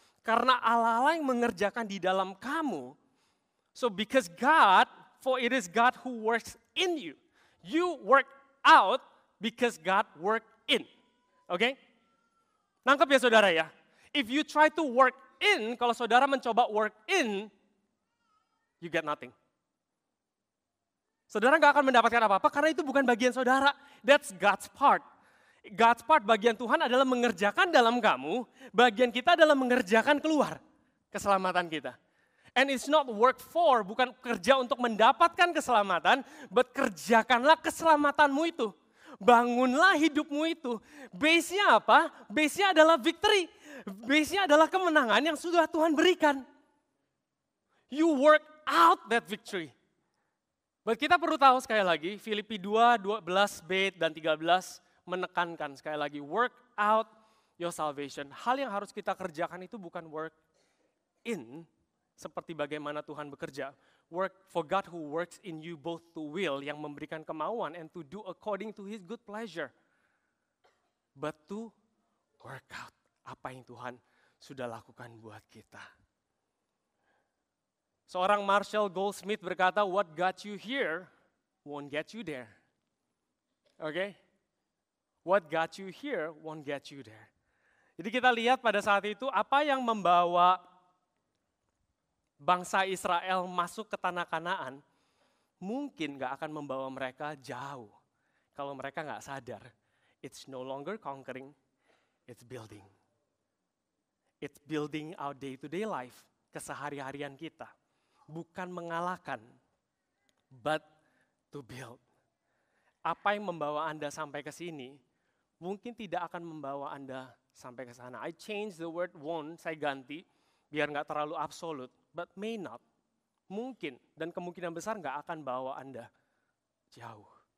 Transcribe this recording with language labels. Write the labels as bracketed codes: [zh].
[id] Karena Allah-Allah yang mengerjakan di dalam kamu. [en] So because God, for it is God who works in you. You work out because God work in. Okay? [id] Nangkep ya saudara ya. [en] If you try to work in, [id] kalau saudara mencoba [en] work in, you get nothing. [id] Saudara gak akan mendapatkan apa-apa karena itu bukan bagian saudara. [en] That's God's part. [id] God's part, bagian Tuhan adalah mengerjakan dalam kamu, bagian kita adalah mengerjakan keluar keselamatan kita. [en] And it's not work for, [id] bukan kerja untuk mendapatkan keselamatan, [en] but [id] kerjakanlah keselamatanmu itu. Bangunlah hidupmu itu. Base-nya apa? Base-nya adalah victory. Base-nya adalah kemenangan yang sudah Tuhan berikan. [en] You work out that victory. But [id] kita perlu tahu sekali lagi, Filipi 2, 12b dan 13 menekankan sekali lagi, [en] work out your salvation. [id] Hal yang harus kita kerjakan itu bukan work in, seperti bagaimana Tuhan bekerja. [en] Work for God who works in you both to will, [id] yang memberikan kemauan, [en] and to do according to his good pleasure. But to work out [id] apa yang Tuhan sudah lakukan buat kita. Seorang Marshall Goldsmith berkata, [en] what got you here won't get you there. Okay? What got you here won't get you there. [id] Jadi kita lihat pada saat itu apa yang membawa bangsa Israel masuk ke tanah Kanaan, mungkin gak akan membawa mereka jauh. Kalau mereka gak sadar, [en] it's no longer conquering, it's building. It's building our day-to-day life, [id] kesehari-harian kita. Bukan mengalahkan, [en] but to build. [id] Apa yang membawa Anda sampai ke sini, mungkin tidak akan membawa Anda sampai ke sana. [en] I change the word won't, [id] saya ganti, biar gak terlalu absolut, [en] but may not. [id] Mungkin, dan kemungkinan besar gak akan bawa Anda jauh.